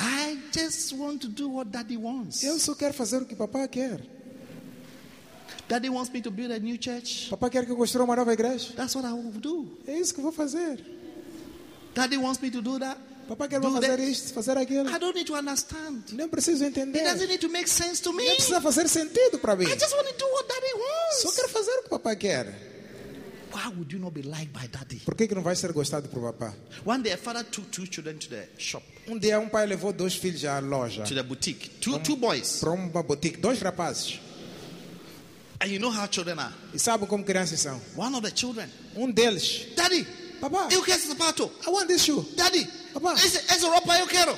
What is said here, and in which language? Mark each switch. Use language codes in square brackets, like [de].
[en] I just want to do what daddy wants. [pt] Eu só quero fazer o que papai quer. [en] Daddy wants me to build a new church. [pt] Papai quer que eu construa uma nova igreja. [en] That's what I will do. [pt] É isso que eu vou fazer. [en] Daddy wants me to do that. [pt] Papai quer fazer isto, fazer aquilo. [en] I don't need to understand. [pt] Não preciso entender. [en] It doesn't need to make sense to me. [pt] Não precisa fazer sentido para mim. [en] I just want to do what daddy wants. [pt] Só quero fazer o que papai quer. [en] Why would you not be liked by daddy? [pt] Por que não vai ser gostado por papai? [en] One day a father took two children to the shop. [pt] Um dia um pai levou dois filhos à loja. [en] To the boutique. Two boys. [pt] Para uma boutique, dois rapazes. [en] And you know how children are. [pt] E sabe como crianças são? [en] One of the children. [pt] Um deles. [en] Daddy. [pt] Papá. Eu quero esse sapato. [en] I want this shoe. Daddy. [pt] Papá. Esse roupa eu quero.